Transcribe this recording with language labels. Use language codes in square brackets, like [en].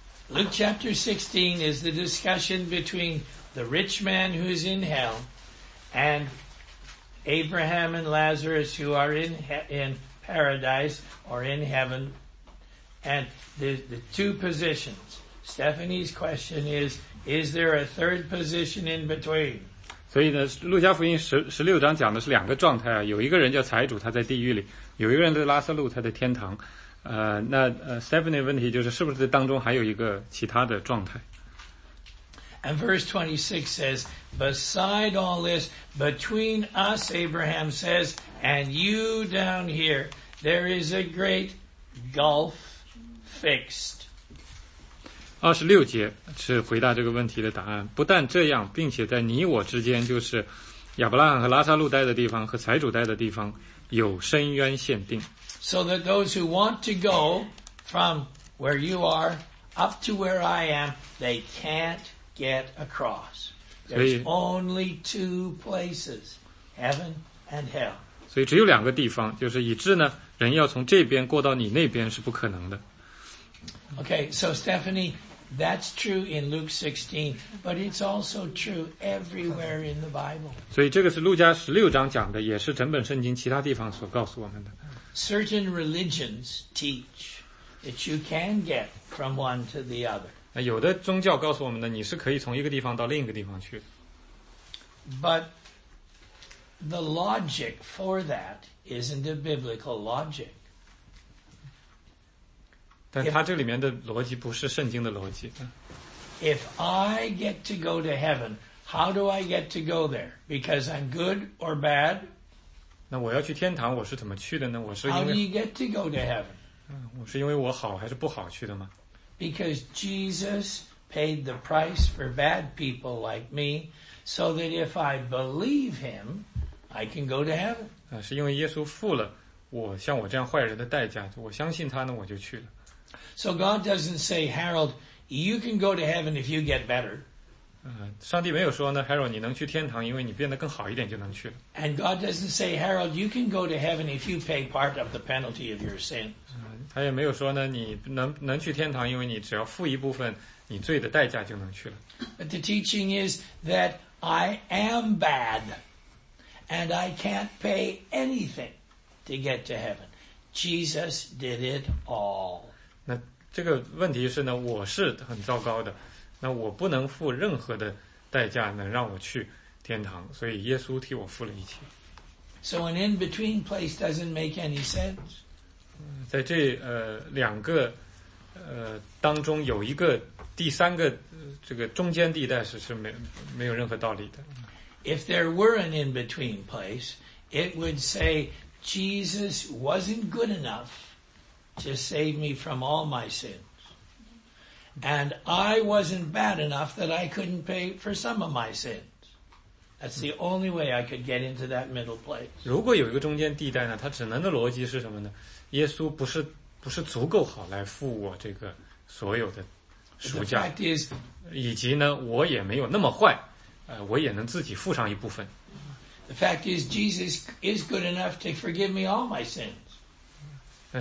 [en] Luke chapter 16 is the discussion between the rich man who's in hell and Abraham and Lazarus who are in paradise or in heaven, and the two positions. Stephanie's question is there a third position in between? [zh] 所以呢，路加福音16章讲的是两个状态啊，有一个人叫财主，他在地狱里；有一个人叫拉撒路，他在天堂。 Stephanie 的问题就是，是不是当中还有一个其他的状态 [en] ？And verse 26 says, beside all this, between us, Abraham says, and you down here, there is a great gulf fixed. [zh] 26节是回答这个问题的答案，不但这样，并且在你我之间，就是亚伯拉罕和拉撒路待的地方和财主待的地方，有深渊限定。 [en] So that those who want to go from where you are up to where I am, they can't get across. There's only two places, heaven and hell. [zh] 所以只有两个地方，就是以致呢，人要从这边过到你那边是不可能的。 [en] Okay, so Stephanie, that's true in Luke 16, but it's also true everywhere in the Bible. [zh] 所以这个是路加16章讲的，也是整本圣经其他地方所告诉我们的。 [en] Certain religions teach that you can get from one to the other. [zh] 那有的宗教告诉我们的，你是可以从一个地方到另一个地方去。 [en] But the logic for that isn't a biblical logic. [zh] 但他这里面的逻辑不是圣经的逻辑。 [en] If I get to go to heaven, how do I get to go there? Because I'm good or bad? [zh] 那我要去天堂，我是怎么去的呢？我是因为 [en] How do you get to go to heaven? [zh] 我是因为我好还是不好去的吗？ [en] Because Jesus paid the price for bad people like me, so that if I believe him, I can go to heaven. [zh] 是因为耶稣付了我像我这样坏人的代价，我相信他呢，我就去了。 [en] So God doesn't say, Harold,You can go to heaven if you get better. [zh] 上帝没有说呢 ，Harold， 你能去天堂，因为你变得更好一点就能去了。 [en] And God doesn't say, Harold, you can go to heaven if you pay part of the penalty of your sin. [zh] 他也没有说呢，你能去天堂，因为你只要付一部分你罪的代价就能去了。 [en] But the teaching is that I am bad, and I can't pay anything to get to heaven. Jesus did it all. [zh] 那这个问题是呢，我是很糟糕的，那我不能付任何的代价能让我去天堂，所以耶稣替我付了一切。 [en] So an in-between place doesn't make any sense. [zh] 在这两个当中有一个第三个这个中间地带是没有任何道理的。 [en] If there were an in-between place, it would say Jesus wasn't good enough. To save me from all my sins. And I wasn't bad enough that I couldn't pay for some of my sins. That's the only way I could get into that middle place. [zh] 如果有一个中间地带呢，它只能的逻辑是什么呢？耶稣不是足够好来付我这个所有的赎价。 [en] The fact is, [zh] 以及呢，我也没有那么坏，我也能自己付上一部分。 [en] The fact is, Jesus is good enough to forgive me all my sins.